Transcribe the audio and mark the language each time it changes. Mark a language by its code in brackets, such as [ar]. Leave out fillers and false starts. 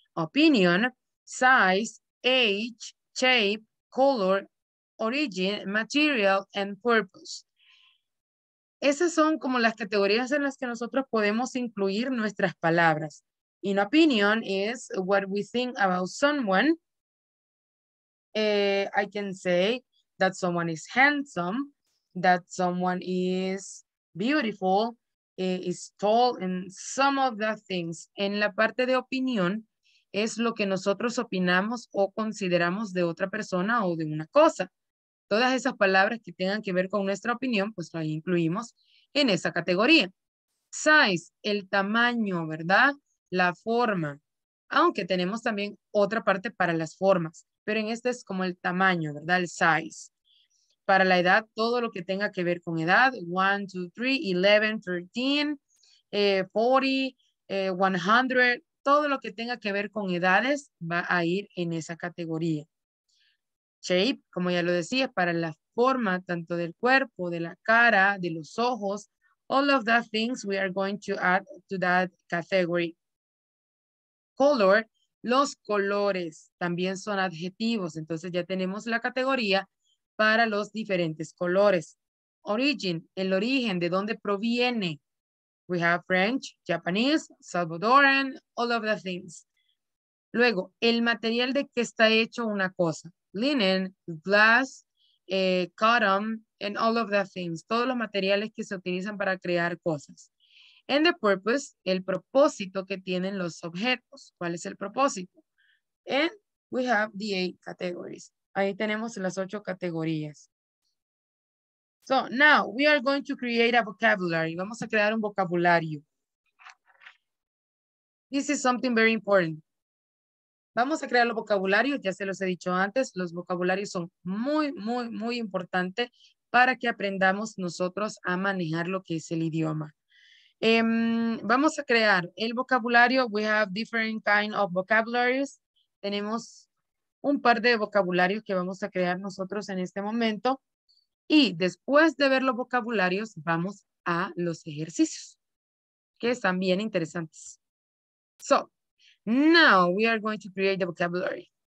[en] Opinion, size, age, shape, color, origin, material, and purpose. [es] Esas son como las categorías en las que nosotros podemos incluir nuestras palabras. [en] In opinion is what we think about someone. I can say that someone is handsome, that someone is beautiful, is tall, and some of the things. [es] En la parte de opinión es lo que nosotros opinamos o consideramos de otra persona o de una cosa. Todas esas palabras que tengan que ver con nuestra opinión, pues las incluimos en esa categoría. size, el tamaño, ¿verdad? La forma. Aunque tenemos también otra parte para las formas, pero en este es como el tamaño, ¿verdad? El size. Para la edad, todo lo que tenga que ver con edad, 1, 2, 3, 11, 13, 40, 100, todo lo que tenga que ver con edades va a ir en esa categoría. Shape, como ya lo decía, para la forma tanto del cuerpo, de la cara, de los ojos, all of the things we are going to add to that category. Color, los colores también son adjetivos, entonces ya tenemos la categoría para los diferentes colores. Origin, el origen, de dónde proviene. [en] We have French, Japanese, Salvadoran, all of the things. [es] Luego, el material de que está hecho una cosa. [en] Linen, glass, cotton, and all of the things. [es] Todos los materiales que se utilizan para crear cosas. [en] And the purpose, [es] el propósito que tienen los objetos. ¿Cuál es el propósito? [en] And we have the 8 categories. [es] Ahí tenemos las 8 categorías. [en] So now we are going to create a vocabulary. [es] Vamos a crear un vocabulario. [en] This is something very important. [es] Vamos a crear los vocabularios. Ya se los he dicho antes. Los vocabularios son muy, muy, muy importantes para que aprendamos nosotros a manejar lo que es el idioma. Vamos a crear el vocabulario. [en] We have different kind of vocabularies. [es] Tenemos un par de vocabularios que vamos a crear nosotros en este momento. Y después de ver los vocabularios, vamos a los ejercicios, que están bien interesantes. [en] So, now we are going to create the vocabulary.